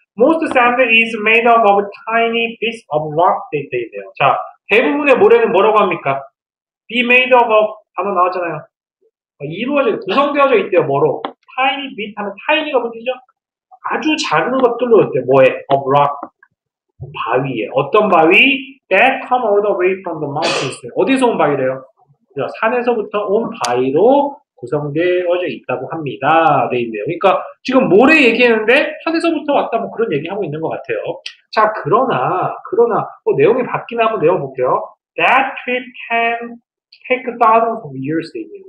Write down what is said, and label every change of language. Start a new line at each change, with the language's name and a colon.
English: Most sand is made up of tiny bits of rock.
Korean: 돼 있네요. 자, 대부분의 모래는 뭐라고 합니까?
English: Be made up of
Korean: 단어 나왔잖아요. 이루어져, 구성되어져 있대요. 뭐로?
English: Tiny bit
Korean: 하면 tiny가 뭔 뜻이죠? 아주 작은 것들로 있대요. 뭐에?
English: Of rock.
Korean: 바위에. 어떤 바위?
English: That come all the way from the mountains.
Korean: 어디서 온 바위래요? 산에서부터 온 바위로 구성되어져 있다고 합니다. 돼 있네요. 그러니까 지금 모래 얘기했는데 산에서부터 왔다 뭐 그런 얘기하고 있는 것 같아요. 자, 그러나 내용이 바뀌나 한번 내용 볼게요.
English: That trip can take thousands of years.
Korean: 돼 있네요.